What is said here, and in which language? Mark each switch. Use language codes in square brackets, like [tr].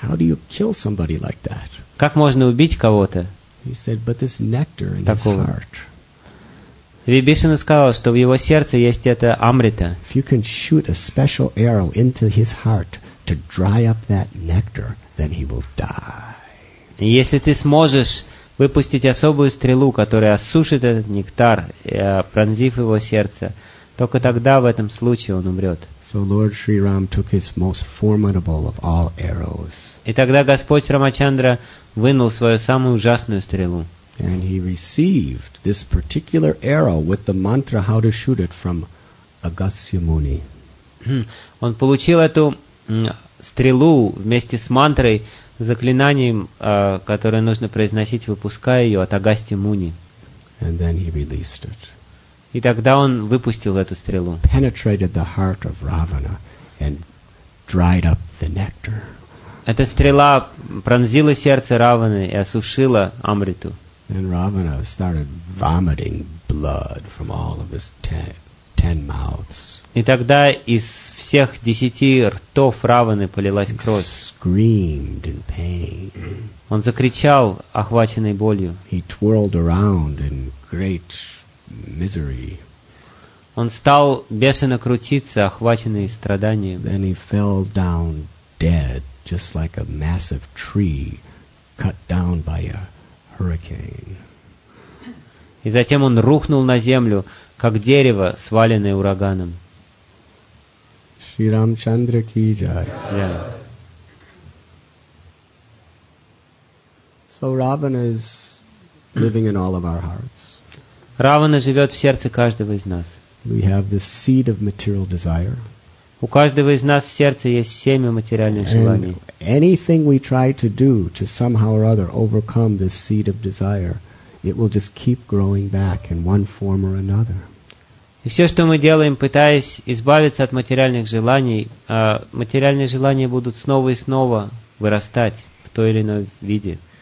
[en] How do you kill somebody like that? [ru] Как можно убить кого-то? [en] He said, but this nectar in his heart. [ru] Вибишина сказал, что в его сердце есть это амрита. [en] If you can shoot a special arrow into his heart to dry up that nectar, then he will die. [ru] Если ты сможешь выпустить особую стрелу, которая осушит этот нектар, пронзив его сердце, только тогда в этом случае он умрет. [en] So Lord Shri Ram took his most formidable of all arrows. [ru] И тогда Господь Рамачандра вынул свою самую ужасную стрелу. [en] And he received this particular arrow with the mantra how to shoot it from Agastya Muni. [ru] Он получил эту стрелу вместе с мантрой, заклинанием, которое нужно произносить, выпуская ее от Агасти Муни. [en] And then he released it. [ru] И тогда он выпустил эту стрелу. [en] Penetrated the heart of Ravana and dried up the nectar. [ru] Эта стрела пронзила сердце Раваны и осушила амриту. [en] And Ravana started vomiting blood from all of his ten mouths. [ru] И тогда из всех десяти ртов Раваны полилась кровь. [en] He screamed in pain. [ru] Он закричал, охваченный болью. [en] He twirled around in great misery. [ru] Он стал бешено крутиться, охваченный страданием. [en] Then he fell down dead, just like a massive tree cut down by a hurricane. [ru] И затем он рухнул на землю, как дерево, сваленное ураганом. [hi] Шри Рамчандра ки джай. [en] So Ravana is living in all of our hearts. [ru] Равана живет в сердце каждого из нас. [en] We have the seed of material desire. [ru] У каждого из нас в сердце есть семя материальных желаний. [en] And anything we try to do to somehow or other overcome this seed of desire, it will just keep growing back in one form or another. [ru] И все, что мы делаем, пытаясь избавиться от материальных желаний, материальные желания будут снова и снова вырастать в той или иной виде.